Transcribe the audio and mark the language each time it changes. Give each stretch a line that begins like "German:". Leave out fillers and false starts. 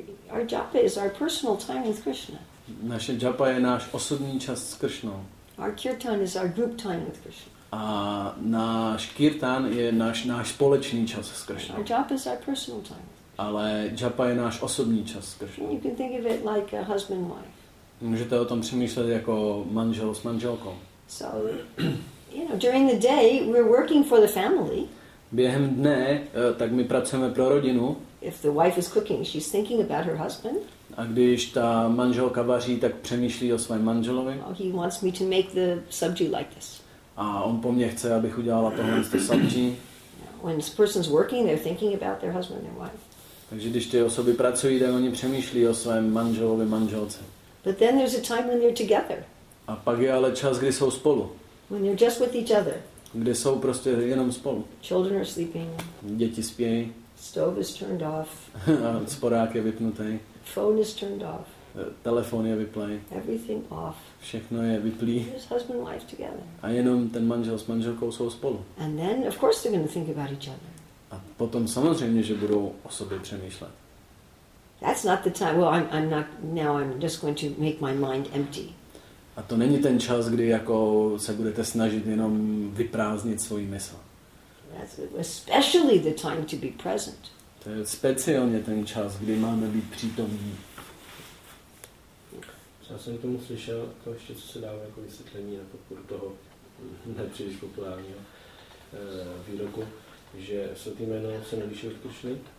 English: Our japa is our personal time with Krishna.
Czech: Naše japa je náš osobní čas s Krishnou.
English: Our kirtan is our group time with Krishna.
Czech: A náš kirtan je náš společný čas s Krishnou.
English: Our japa is our personal time.
Czech: Ale japa je náš osobní čas s Krishnou.
English: You can think of it like a husband wife.
Czech: Můžete o tom přemýšlet jako manžel s manželkou.
English: So, you know, during the day we're working for the family.
Czech: Během dne, tak my pracujeme pro rodinu.
English: If the wife is cooking, she's thinking about her husband.
Czech: A když ta manželka vaří, tak přemýšlí o svém manželovi.
English: Oh, he wants me to make the sabji like this.
Czech: A on po mně chce, abych udělala tohle z toho sabji.
English: When this person's working, they're thinking about their husband and wife.
Czech: Takže když ty osoby pracují, tak oni přemýšlí o svém manželovi, manželce.
English: But then there's a time when they're together.
Czech: A pak je ale čas, kdy jsou spolu.
English: When they're just with each other.
Czech: Kdy jsou prostě jenom spolu.
English: Children are sleeping.
Czech: Děti spějí.
English: Stove is turned off.
Czech: Sporák je vypnutý.
English: Phone is turned off.
Czech: Telefon je vyplý.
English: Everything off.
Czech: Všechno je vyplý.
English: There's husband and wife together.
Czech: A jenom ten manžel s manželkou jsou spolu.
English: And then of course they're going to think about each other.
Czech: A potom samozřejmě, že budou o sobě přemýšlet.
English: That's not the time. Well, I'm not now. I'm just going to make my mind empty.
Czech: A to není ten čas, kdy jako se budete snažit jenom vyprázdnit svoji mysl.
English: That's especially the time to be present.
Czech: To je speciálně ten čas, kdy máme být přítomní. Já jsem tomu slyšel, to ještě co se dává jako vysvětlení na podporu toho nepříliš populárního výroku, že svatý jméno se nelíší od Krišny.